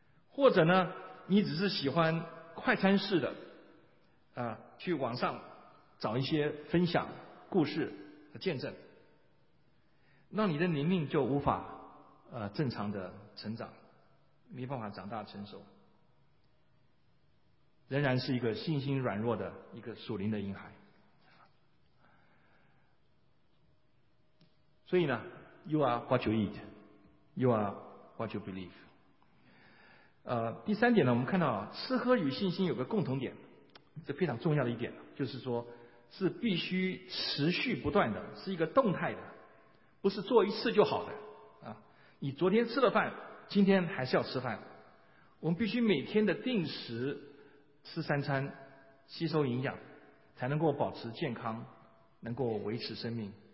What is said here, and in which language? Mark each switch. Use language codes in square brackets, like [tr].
[zh] 或者呢，你只是喜欢快餐式的啊，去网上找一些分享故事和见证，那你的灵命就无法正常的成长，没办法长大成熟，仍然是一个信心软弱的一个属灵的婴孩。所以呢 [en] ，You are what you eat, you are what you believe。 [zh] 第三点呢，我们看到吃喝与信心有个共同点，这非常重要的一点，就是说，是必须持续不断的，是一个动态的，不是做一次就好的啊。你昨天吃了饭，今天还是要吃饭。我们必须每天的定时吃三餐，吸收营养，才能够保持健康，能够维持生命。